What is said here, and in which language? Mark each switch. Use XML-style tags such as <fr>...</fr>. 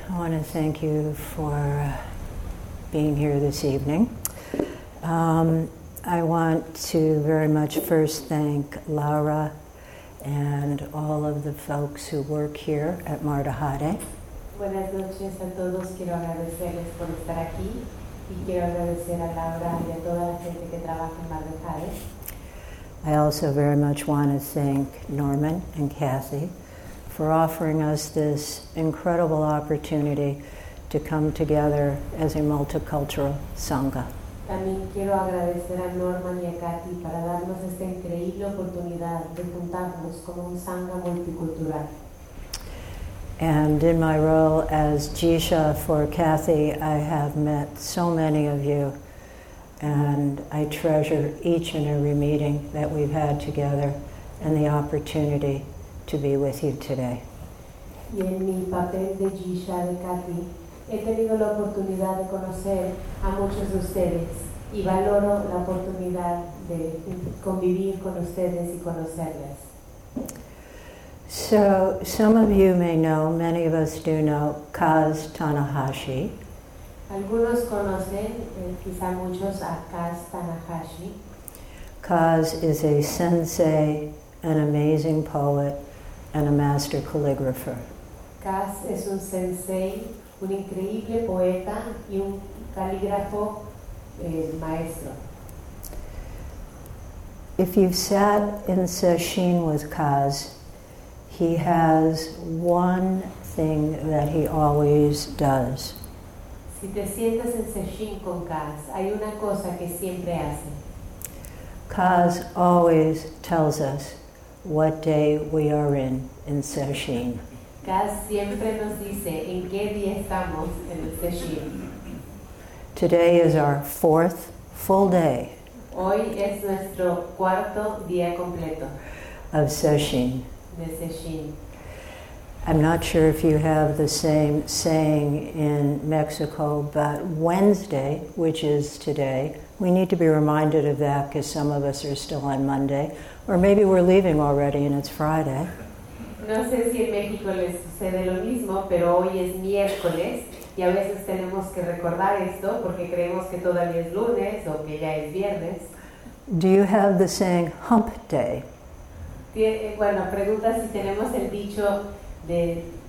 <en>I want to thank you for being here this evening. I want to very much first thank Laura and all of the folks who work here at Mardahare.</en> <es>Buenas noches a todos. Quiero agradecerles por estar aquí. Y quiero agradecer a Laura y a toda la gente que trabaja en Mardahare.</es> <en>I also very much want to thank Norman and Kathy for offering us this incredible opportunity to come together as a multicultural sangha.</en> <es>También quiero agradecer a Norman y a Kathy para darnos esta increíble oportunidad de juntarnos como un sangha multicultural.</es> <en>And in my role as Jisha for Kathy, I have met so many of you. And I treasure each and every meeting that we've had together and the opportunity to be with you today.</en> <es>Y en mi papel de Jisha de Kathy, he tenido la oportunidad de conocer a muchos de ustedes y valoro la oportunidad de convivir con ustedes y conocerles.</es> <en>So, some of you may know, many of us do know, Kaz Tanahashi.</en> <es>Algunos conocen, quizá muchos, a Kaz Tanahashi.</es> <en>Kaz is a sensei, an amazing poet, and a master calligrapher.</en> <es>Kaz es un sensei, un increíble poeta y un calígrafo maestro.</es> <en>If you've sat in Sesshin with Kaz, he has one thing that he always does.</en> <es>Si te sientas en Sesshin con Kaz, hay una cosa que siempre hace.</es> <en>Kaz always tells us what day we are in Sesshin.</en> <es>Kaz siempre nos dice en qué día estamos en Sesshin.</es> <en>Today is our fourth full day.</en> <es>Hoy es nuestro cuarto día completo.</es> <en>Of Sesshin.</en> <es>De Sesshin.</es> <en>I'm not sure if you have the same saying in Mexico, but Wednesday, which is today, we need to be reminded of that because some of us are still on Monday, or maybe we're leaving already and it's Friday.</en> <es>No sé si en México les sucede lo mismo, pero hoy es miércoles y a veces tenemos que recordar esto porque creemos que todavía es lunes o que ya es viernes.</es> <en>Do you have the saying hump day?</en> <es>Bueno, pregunta si tenemos el dicho de</es>